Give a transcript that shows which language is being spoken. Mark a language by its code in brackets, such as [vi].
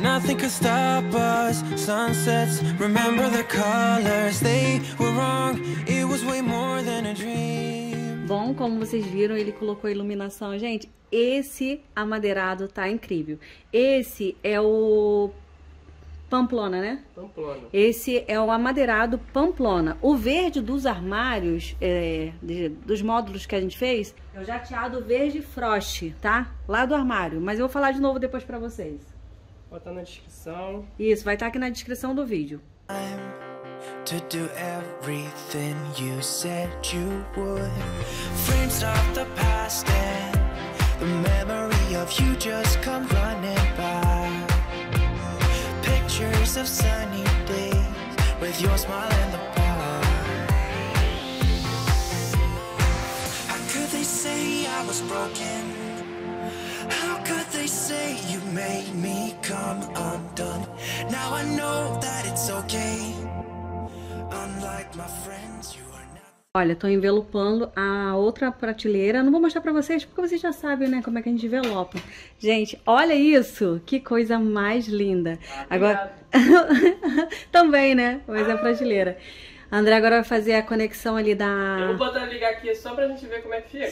[en] Could stop us. Sunsets, remember the colors. They were wrong. It was way more than a dream. [pt] Bom, como vocês viram, ele colocou a iluminação. Gente, esse amadeirado tá incrível. Esse é o Pamplona, né? Pamplona. Esse é o amadeirado Pamplona. O verde dos armários, dos módulos que a gente fez, é o jateado verde frost, tá? Lá do armário. Mas eu vou falar de novo depois pra vocês. Botar na descrição. Isso, vai estar aqui na descrição do vídeo. [en] I'm to do everything you said you would. Frames of the past and the memory of you just come running by. Pictures of sunny days with your smile in the park. How could they say I was broken? How could they say you made me come undone? Now I know that it's okay. Unlike my friends, you are not. [pt] Olha, tô envelopando a outra prateleira. Não vou mostrar pra vocês, porque vocês já sabem, né, como é que a gente envelopa. Gente, olha isso! Que coisa mais linda! Ah, agora, também, né? Mas é a prateleira. André agora vai fazer a conexão ali da... Eu vou botar ligar aqui só pra gente ver como é que fica.